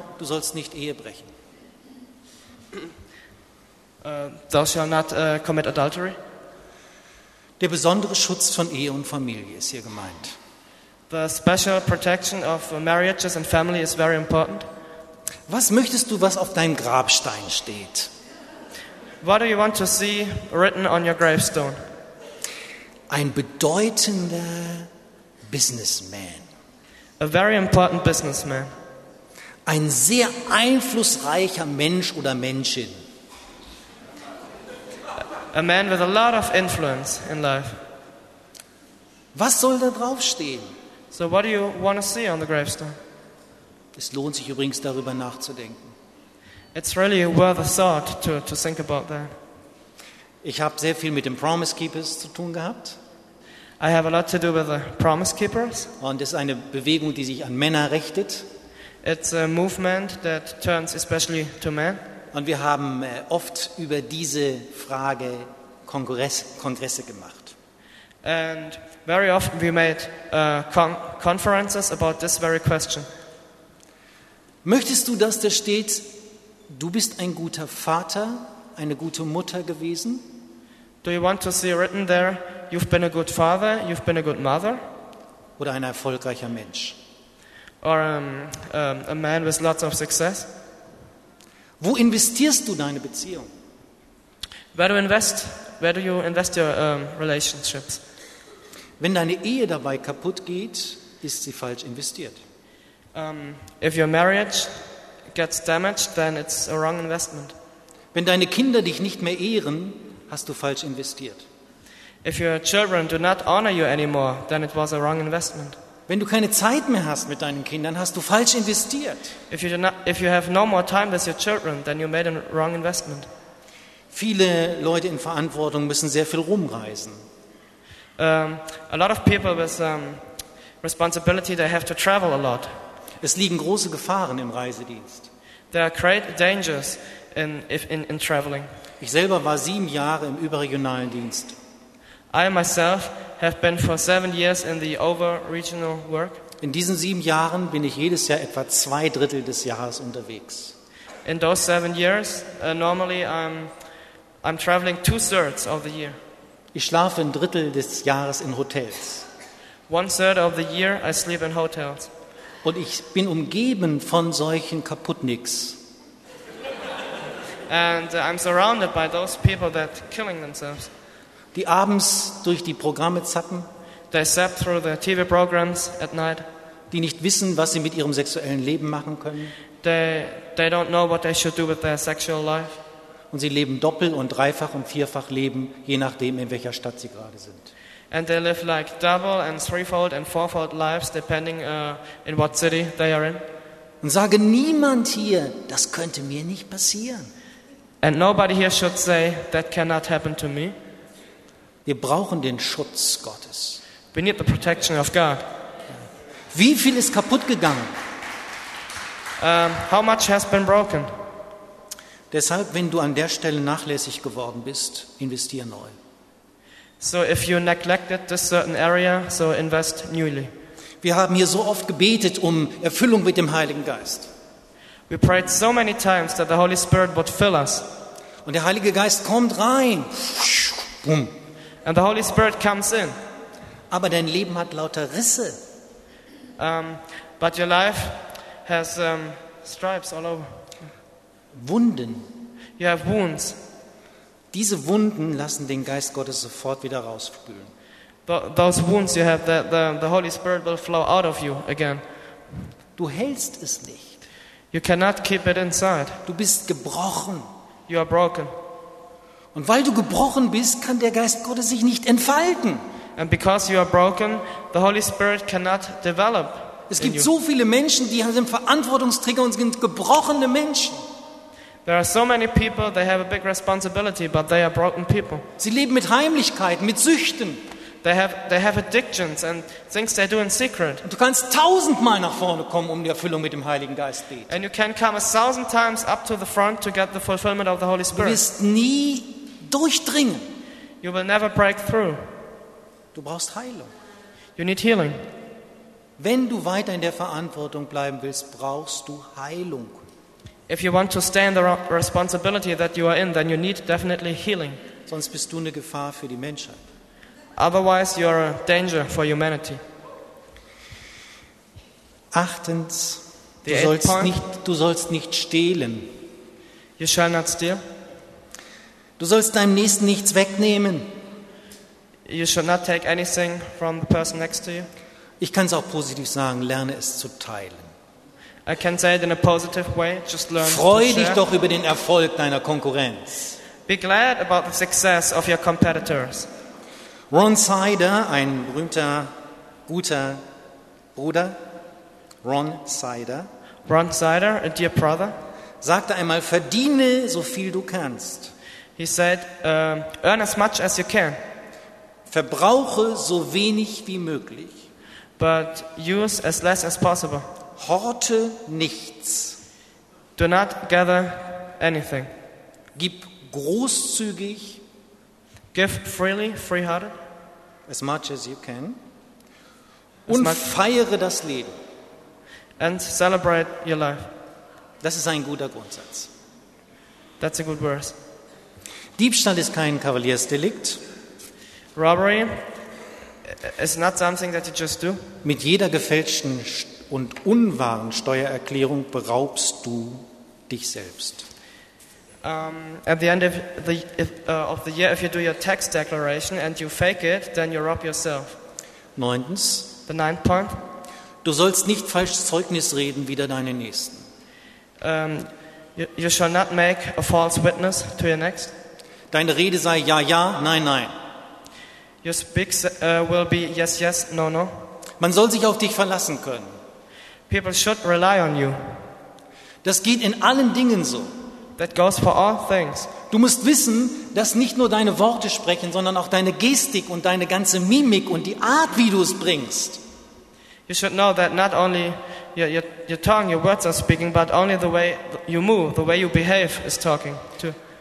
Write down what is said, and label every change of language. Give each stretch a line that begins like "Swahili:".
German: du sollst nicht Ehe brechen.
English: Thou shalt not commit adultery.
German: Der besondere Schutz von Ehe und Familie ist hier gemeint.
English: The special protection of marriages and family is very important.
German: Was möchtest du, was auf deinem Grabstein steht?
English: What do you want to see written on your gravestone?
German: Ein bedeutender Businessman.
English: A very important businessman.
German: Ein sehr einflussreicher Mensch oder Menschin.
English: A man with a lot of influence in life.
German: Was soll da draufstehen?
English: So what do you want to see on the gravestone?
German: Es lohnt sich übrigens, darüber nachzudenken.
English: It's really worth a thought to think about that.
German: Ich habe sehr viel mit den Promise Keepers zu tun gehabt.
English: I have a lot to do with the Promise Keepers.
German: Und es ist eine Bewegung, die sich an Männer richtet.
English: It's a movement that turns especially to men.
German: Und wir haben oft über diese Frage Kongresse gemacht.
English: And very often we made conferences about this very question.
German: Möchtest du, dass da steht, du bist ein guter Vater, eine gute Mutter gewesen?
English: Do you want to see written there, you've been a good father, you've been a good mother?
German: Oder ein erfolgreicher Mensch?
English: Or a man with lots of success?
German: Wo investierst du deine Beziehung?
English: Where do you invest your relationships?
German: Wenn deine Ehe dabei kaputt geht, ist sie falsch investiert.
English: If your marriage gets damaged, then it's a wrong investment.
German: Wenn deine Kinder dich nicht mehr ehren, hast du falsch investiert.
English: If your children do not honor you anymore, then it was a wrong investment.
German: Wenn du keine Zeit mehr hast mit deinen Kindern, hast du falsch investiert.
English: If you have no more time with your children, then you made a wrong investment.
German: Viele Leute in Verantwortung müssen sehr viel rumreisen.
English: A lot of people with responsibility, they have to travel a lot.
German: Es liegen große Gefahren im Reisedienst.
English: There are great dangers in traveling.
German: Ich selber war 7 Jahre im überregionalen Dienst.
English: I myself have been for 7 years in the over-regional work.
German: In diesen 7 Jahren bin ich jedes Jahr etwa 2/3 des Jahres unterwegs.
English: In those 7 years, normally I'm traveling 2/3 of the year.
German: Ich schlafe 1/3 des Jahres in Hotels.
English: 1/3 of the year I sleep in hotels.
German: Und ich bin umgeben von solchen Kaputtnicks.
English: And I'm surrounded by those people that killing themselves.
German: Die abends durch die Programme zappen.
English: They zap through the TV programs at night.
German: Die nicht wissen, was sie mit ihrem sexuellen Leben machen können.
English: They don't know what they should do with their sexual life.
German: Und sie leben doppelt und dreifach und vierfach Leben, je nachdem, in welcher Stadt sie gerade sind.
English: And they live like double and threefold and fourfold lives, depending in what city they are in.
German: Und sage niemand hier, das könnte mir nicht passieren.
English: And nobody here should say, that cannot happen to me.
German: Wir brauchen den Schutz Gottes.
English: We need the protection of God.
German: Wie viel ist kaputt gegangen?
English: How much has been broken?
German: Deshalb, wenn du an der Stelle nachlässig geworden bist, investier neu.
English: So if you neglected this certain area, so invest newly.
German: Wir haben hier so oft gebetet um Erfüllung mit dem Heiligen Geist.
English: We prayed so many times that the Holy Spirit would fill us.
German: Und der Heilige Geist kommt rein.
English: Boom. And the Holy Spirit comes in.
German: Aber dein Leben hat lauter Risse.
English: But your life has stripes all over.
German: Wunden.
English: You have wounds.
German: Diese Wunden lassen den Geist Gottes sofort wieder rausspülen.
English: Those wounds you have, the Holy Spirit will flow out of you again.
German: Du hältst es nicht.
English: You cannot keep it inside.
German: Du bist gebrochen.
English: You are broken.
German: Und weil du gebrochen bist, kann der Geist Gottes sich nicht entfalten.
English: And because you are broken, the Holy Spirit cannot develop.
German: Es gibt so viele Menschen, die haben Verantwortungsträger und sind gebrochene Menschen.
English: There are so many people, they have a big responsibility, but they are broken people.
German: Sie leben mit Heimlichkeiten, mit Süchten.
English: They have addictions and things they do in secret.
German: Und du kannst tausendmal nach vorne kommen, um die Erfüllung mit dem Heiligen Geist zu beten.
English: And you can come 1,000 times up to the front to get the fulfillment of the Holy Spirit.
German: Du wirst nie durchdringen.
English: You will never break through.
German: Du brauchst Heilung.
English: You need healing.
German: Wenn du weiter in der Verantwortung bleiben willst, brauchst du Heilung.
English: If you want to stay in the responsibility that you are in, then you need definitely healing.
German: Sonst bist du eine Gefahr für die Menschheit.
English: Otherwise you are a danger for humanity.
German: Achtens, du sollst nicht stehlen.
English: You shall not steal.
German: Du sollst deinem Nächsten nichts wegnehmen.
English: You shall not take anything from the person next to you.
German: Ich kann es auch positiv sagen, lerne es zu teilen.
English: I can say it in a positive way, just learn.
German: Freu dich doch über den Erfolg deiner Konkurrenz.
English: Be glad about the success of your competitors.
German: Ron Sider, ein berühmter guter Bruder, Ron Sider,
English: a dear brother,
German: sagte einmal: Verdiene so viel du kannst.
English: He said, earn as much as you can.
German: Verbrauche so wenig wie möglich.
English: But use as less as possible.
German: Horte nichts.
English: Do not gather anything.
German: Gib großzügig.
English: Give freely, free-hearted. As much as you can.
German: Und feiere das Leben.
English: And celebrate your life.
German: Das ist ein guter Grundsatz.
English: That's a good verse.
German: Diebstahl ist kein Kavaliersdelikt.
English: Robbery is not something that you just do.
German: Mit jeder gefälschten und unwahren Steuererklärung beraubst du dich selbst.
English: At the end of the year, if you do your tax declaration and you fake it, then you rob yourself.
German: Neuntens.
English: The ninth point.
German: Du sollst nicht falsches Zeugnis reden wider deine Nächsten.
English: You shall not make a false witness to your next.
German: Deine Rede sei ja, ja, nein, nein.
English: Your speech will be yes, yes, no, no.
German: Man soll sich auf dich verlassen können.
English: People should rely on you.
German: Das geht in allen Dingen so.
English: That goes for all things.
German: Du musst wissen, dass nicht nur deine Worte sprechen, sondern auch deine Gestik und deine ganze Mimik und die Art, wie du es bringst.
English: You should know that not only your tongue, your words are speaking, but only the way you move, the way you behave is talking too.